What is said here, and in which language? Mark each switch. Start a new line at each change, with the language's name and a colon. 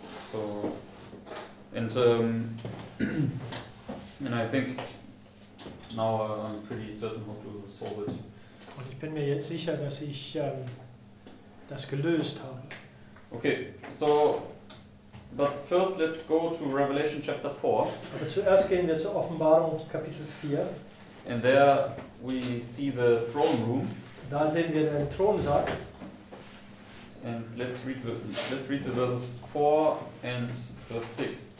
English: So, and and I think now I'm pretty certain how to solve it.
German: Und ich bin mir jetzt sicher, dass ich das gelöst habe.
English: Okay. So, but first let's go to Revelation chapter 4.
German: Aber zuerst gehen wir zur Offenbarung Kapitel 4.
English: And there we see the throne room.
German: Da sehen wir den Thronsaal.
English: And let's read the verses 4 and verse 6.